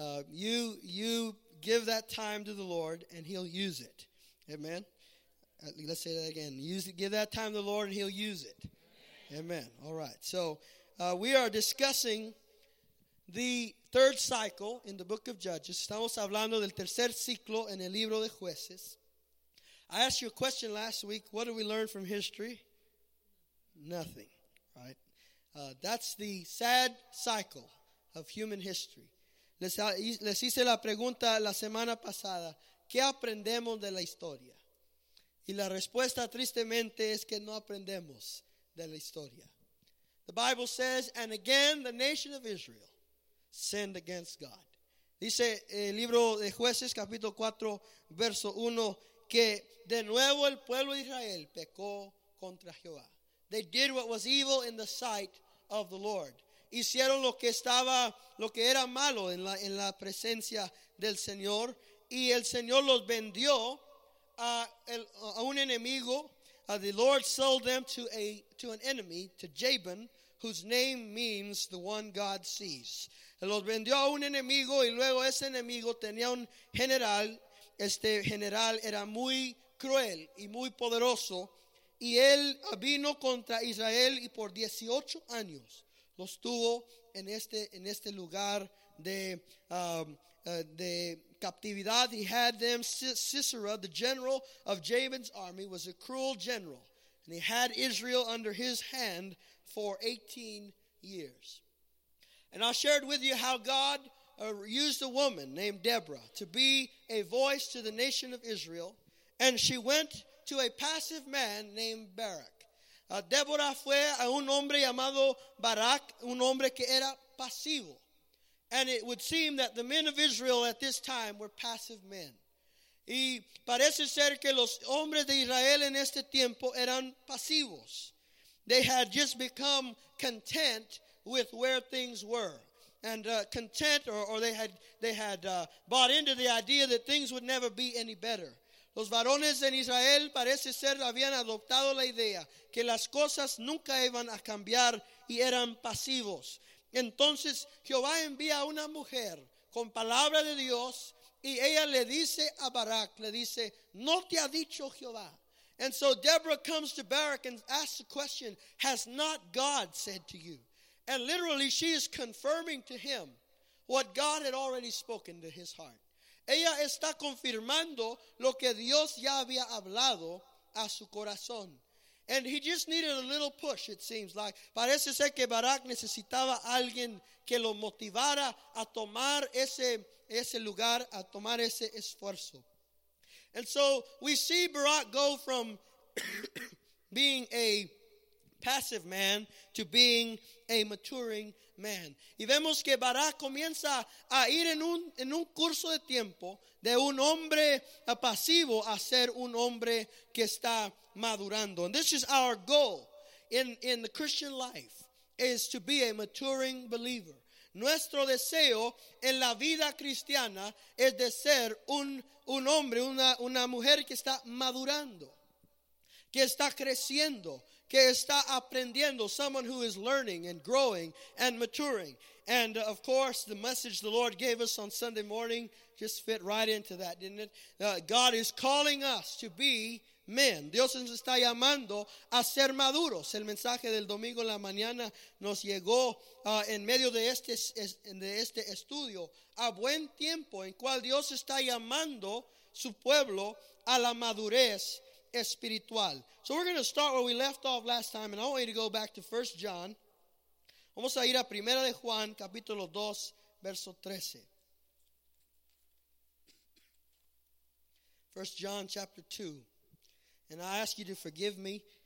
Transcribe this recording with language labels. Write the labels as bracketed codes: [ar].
[en] You give that time to the Lord and he'll use it. Amen. Let's say that again. Give that time to the Lord and he'll use it. Amen. Amen. All right. So we are discussing the third cycle in the book of Judges. [es] Estamos hablando del tercer ciclo en el libro de Jueces. [en] I asked you a question last week. What did we learn from history? Nothing. Right? That's the sad cycle of human history. [es] Les hice la pregunta la semana pasada. ¿Qué aprendemos de la historia? Y la respuesta, tristemente, es que no aprendemos de la historia. [en] The Bible says, and again, the nation of Israel sinned against God. [es] Dice el libro de Jueces, capítulo 4, verso 1, que de nuevo el pueblo de Israel pecó contra Jehová. [en] They did what was evil in the sight of the Lord. [es] Hicieron lo que estaba, lo que era malo en la presencia del Señor. Y el Señor los vendió a un enemigo. [en] The Lord sold them to an enemy, to Jabin, whose name means the one God sees. [es] Los vendió a un enemigo y luego ese enemigo tenía un general. Este general era muy cruel y muy poderoso. Y él vino contra Israel y por 18 años los tuvo en este lugar de captividad. [en] He had them. Sisera, the general of Jabin's army, was a cruel general. And he had Israel under his hand for 18 years. And I shared with you how God used a woman named Deborah to be a voice to the nation of Israel. And she went to a passive man named Barak. [es] Deborah fue a un hombre llamado Barak, un hombre que era pasivo. [en] And it would seem that the men of Israel at this time were passive men. [es] Y parece ser que los hombres de Israel en este tiempo eran pasivos. [en] They had just become content with where things were. And content, or they had bought into the idea that things would never be any better. [es] Los varones en Israel parece ser habían adoptado la idea que las cosas nunca iban a cambiar y eran pasivos. Entonces Jehová envía a una mujer con palabra de Dios y ella le dice a Barak, le dice, no te ha dicho Jehová. [en] And so Deborah comes to Barak and asks the question, has not God said to you? And literally she is confirming to him what God had already spoken to his heart. [es] Ella está confirmando lo que Dios ya había hablado a su corazón. [en] And he just needed a little push, it seems like. [es] Parece ser que Barak necesitaba alguien que lo motivara a tomar ese lugar, a tomar ese esfuerzo. [en] And so we see Barak go from being a passive man to being a maturing man. [es] Y vemos que Barak comienza a ir en un curso de tiempo de un hombre pasivo a ser un hombre que está madurando. [en] And this is our goal in the Christian life, is to be a maturing believer. [es] Nuestro deseo en la vida cristiana es de ser un hombre, una mujer que está madurando, que está creciendo, que está aprendiendo, [en] someone who is learning and growing and maturing. And of course, the message the Lord gave us on Sunday morning just fit right into that, didn't it? God is calling us to be men. [es] Dios nos está llamando a ser maduros. El mensaje del domingo en la mañana nos llegó en medio de este estudio a buen tiempo, en cual Dios está llamando su pueblo a la madurez espiritual. [en] So we're going to start where we left off last time, and I want you to go back to 1 John. [es] Vamos a ir a Primera de Juan, capítulo 2, verso 13. [en] 1 John, chapter 2. And I ask you to forgive me.